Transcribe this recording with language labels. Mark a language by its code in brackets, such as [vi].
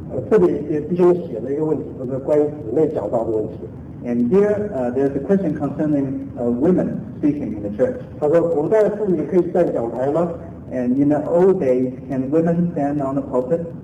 [zh] 这里弟兄写了一个问题，就是关于姊妹讲道的问题。 [en] And here, there's a question concerning women speaking in the church. [zh] 他说，古代妇女可以站讲台吗？ [en] And in the old days, can women stand on the pulpit?